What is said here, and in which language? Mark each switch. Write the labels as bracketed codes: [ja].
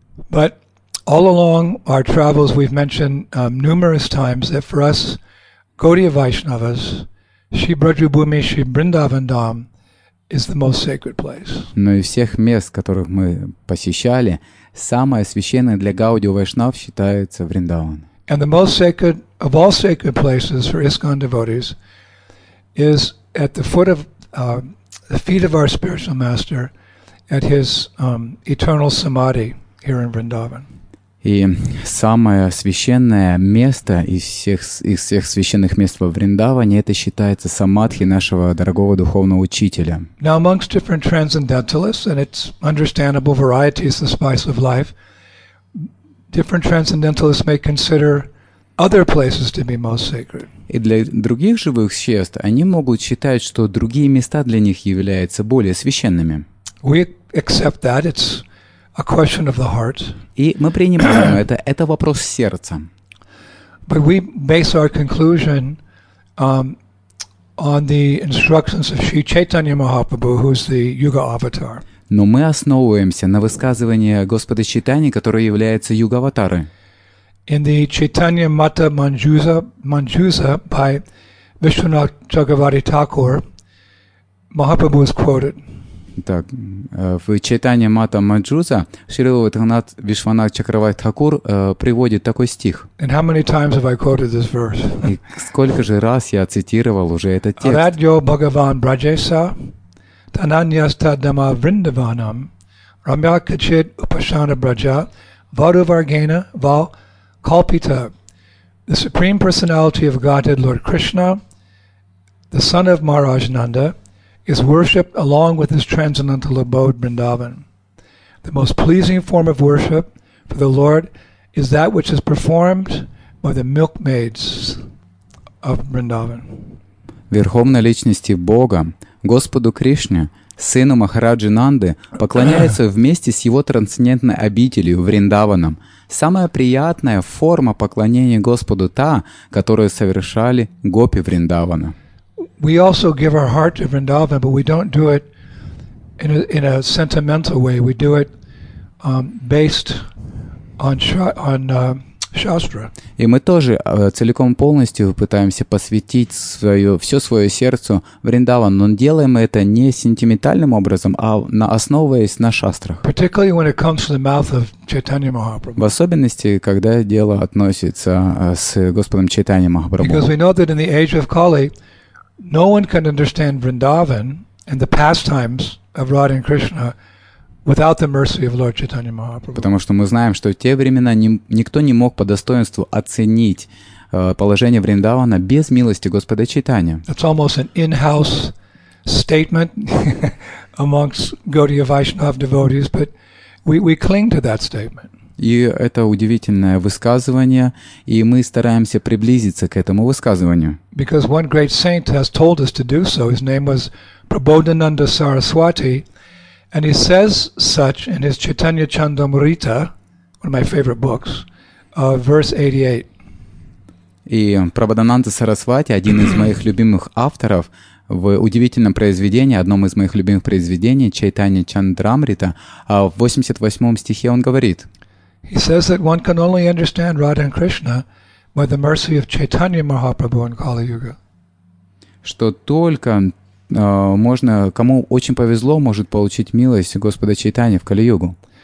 [en] But all along our travels we've mentioned numerous times that for us Gaudiya Vaishnavas, Shri Brajabhumi, Shri Vrindavan Dham is the most sacred place. [ru] Но из всех мест, которых мы посещали, самое священное для Гауди Вайшнав считается Вриндаван. [en] And the most sacred of all sacred places for ISKCON devotees is at the foot of the feet of our spiritual master at his eternal samadhi here in Vrindavan. [ru] И самое священное место из всех священных мест во Вриндаване это считается самадхи нашего дорогого духовного учителя. [en] Now amongst different transcendentalists, and it's understandable, variety is the spice of life, different transcendentalists may consider other places to be most sacred. [ru] И для других живых существ они могут считать, что другие места для них являются более священными. [en] We accept that. It's a question of the heart. [ru] И мы принимаем это вопрос сердца. [en] But we base our conclusion on the instructions of Sri Chaitanya Mahaprabhu, who is the Yuga Avatar. [ru] Но мы основываемся на высказывании Господа Чайтаньи, который является Юга-аватарой. [en] In the Chaitanya Mata Manjusa by Vishwanath Chakravarti Thakur, Mahaprabhu is quoted. [ru] Так, в Чайтанья Мата Манджуза Шрила Ватханат Вишванат Чакравати Такур приводит такой стих. [en] And how many times have I quoted this verse? [ru] И сколько же раз я цитировал уже этот текст? [sa] Радио Бхагаван Браджеса Тананьяста Дама Вриндаванам Рамья Качит Упашана Браджа Вару Варгена Вал Калпита. [en] The Supreme Personality of Godhead, Lord Krishna, the son of Maharaj Nanda, is worshipped along with his transcendental abode, Vrindavan. The most pleasing form of worship for the Lord is that which is performed by the milkmaids of Vrindavan. [ru] Верховной личности Бога, Господу Кришне, сыну Махараджи Нанды, поклоняется вместе с его трансцендентной обителью, Вриндаваном. Самая приятная форма поклонения Господу та, которую совершали гопи Вриндавана. [en] We also give our heart to Vrindavan, but we don't do it in a sentimental way. We do it based on Shastra. [ru] И мы тоже целиком полностью пытаемся посвятить все свое сердце Вриндавану, но делаем это не сентиментальным образом, а основываясь на Шастрах. [en] Particularly when it comes from the mouth of Chaitanya Mahaprabhu. [ru] В особенности, когда дело относится с Господом Чайтанья Махапрабху. [en] Because we know that in the age of Kali, no one can understand Vrindavan and the pastimes of Radha and Krishna without the mercy of Lord Chaitanya Mahaprabhu. [ru] Потому что мы знаем, что в те времена никто не мог по достоинству оценить положение Вриндавана без милости Господа Чайтаньи. [en] It's almost an in-house statement amongst Gaudiya Vaishnava devotees, but we cling to that statement. [ru] И это удивительное высказывание, и мы стараемся приблизиться к этому высказыванию. [en] Because one great saint has told us to do so. His name was Prabodhananda Saraswati, and he says such in his Chaitanya Chandamrita, one of my favorite books, verse 88. [ru] И Прабодхананда Сарасвати, один из моих любимых авторов, в удивительном произведении, одном из моих любимых произведений, Чайтанья Чандрамрита, в 88 стихе он говорит. [en] He says that one can only understand Radha and Krishna by the mercy of Chaitanya Mahaprabhu in Kali Yuga. [ru] Что только можно, кому очень повезло, может получить милость Господа Чайтаньи в Кали Югу.